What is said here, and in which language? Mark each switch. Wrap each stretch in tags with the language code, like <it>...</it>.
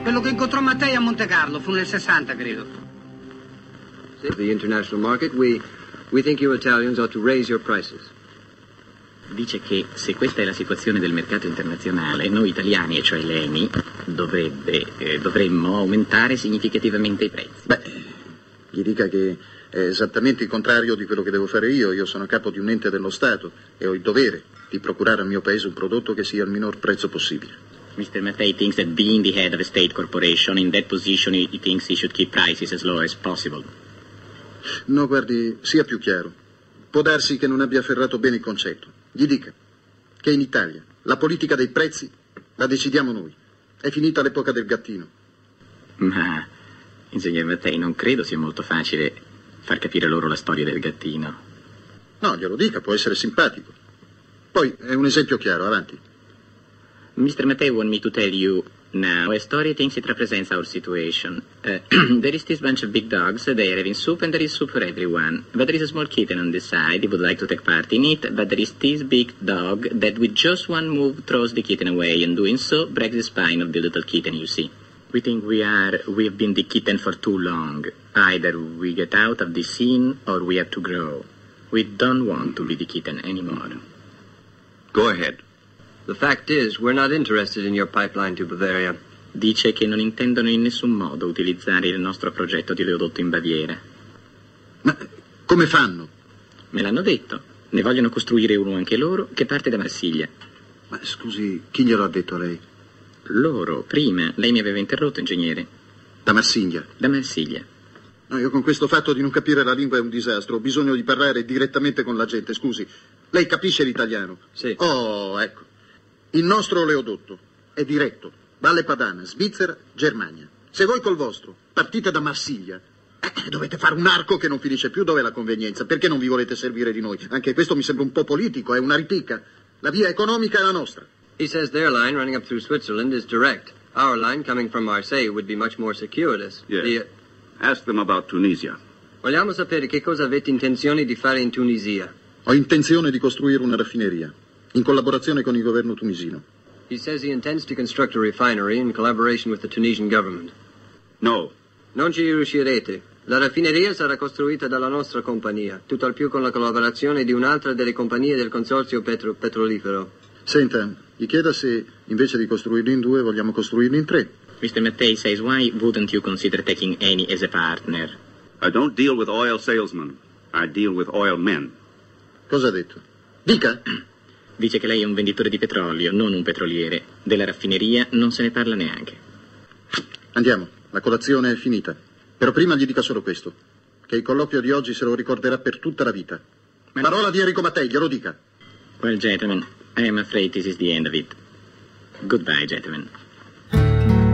<it>Quello che incontrò Mattei a Monte Carlo, fu nel 60, credo.</it> <en>Save the international market, we think you Italians ought to raise your prices.</en> <it>Dice che se questa è la situazione del mercato internazionale, noi italiani, e cioè l'ENI, dovremmo aumentare significativamente i prezzi. Beh, gli dica che è esattamente il contrario di quello che devo fare io. Io sono capo di un ente dello Stato e ho il dovere di procurare al mio paese un prodotto che sia al minor prezzo possibile.</it> <en>Mr. Mattei thinks that being the head of a state corporation, in that position he thinks he should keep prices as low as possible.</en> <it>No, guardi, sia più chiaro. Può darsi che non abbia afferrato bene il concetto. Gli dica che in Italia la politica dei prezzi la decidiamo noi. È finita l'epoca del gattino. Ma, insegnare Mattei, non credo sia molto facile far capire loro la storia del gattino. No, glielo dica, può essere simpatico. Poi, è un esempio chiaro, avanti.</it> <en>Mr. Mattei want me to tell you now a story that thinks it represents our situation. There is this bunch of big dogs, they are having soup and there is soup for everyone. But there is a small kitten on the side, he would like to take part in it, but there is this big dog that with just one move throws the kitten away and doing so breaks the spine of the little kitten, you see. We think we've been the kitten for too long. Either we get out of the scene or we have to grow. We don't want to be the kitten anymore. Go ahead. The fact is, we're not interested in your pipeline to Bavaria.</en> <it>Dice che non intendono in nessun modo utilizzare il nostro progetto di oleodotto in Baviera. Ma come fanno? Me l'hanno detto. Ne vogliono costruire uno anche loro, che parte da Marsiglia. Ma scusi, chi glielo ha detto a lei? Loro, prima. Lei mi aveva interrotto, ingegnere. Da Marsiglia? Da Marsiglia. No, io con questo fatto di non capire la lingua è un disastro. Ho bisogno di parlare direttamente con la gente, scusi. Lei capisce l'italiano? Sì. Oh, ecco. Il nostro oleodotto è diretto, Valle Padana, Svizzera, Germania. Se voi col vostro partite da Marsiglia, dovete fare un arco che non finisce più. Dov'è la convenienza? Perché non vi volete servire di noi? Anche questo mi sembra un po' politico, è una ripicca. La via economica è la nostra.</it> <en>He says their line running up through Switzerland is direct. Our line coming from Marseille would be much more circuitous. Yes. Ask them about Tunisia.</en> <it>Vogliamo sapere che cosa avete intenzione di fare in Tunisia. Ho intenzione di costruire una raffineria. In collaborazione con il governo tunisino.</it> <en>He says he intends to construct a refinery in collaboration with the Tunisian government. No.</en> <it>Non ci riuscirete. La raffineria sarà costruita dalla nostra compagnia, tutto al più con la collaborazione di un'altra delle compagnie del consorzio petrolifero. Senta, gli chieda se invece di costruirli in due vogliamo costruirli in tre.</it> <en>Mr. Mattei says, why wouldn't you consider taking Eni as a partner? I don't deal with oil salesmen. I deal with oil men.</en> <it>Cosa ha detto? Dica! Dice che lei è un venditore di petrolio, non un petroliere. Della raffineria non se ne parla neanche. Andiamo, la colazione è finita. Però prima gli dica solo questo, che il colloquio di oggi se lo ricorderà per tutta la vita. Ma parola di Enrico Mattei, glielo dica.</it> <en>Well, gentlemen, I am afraid this is the end of it. Goodbye, gentlemen.</en>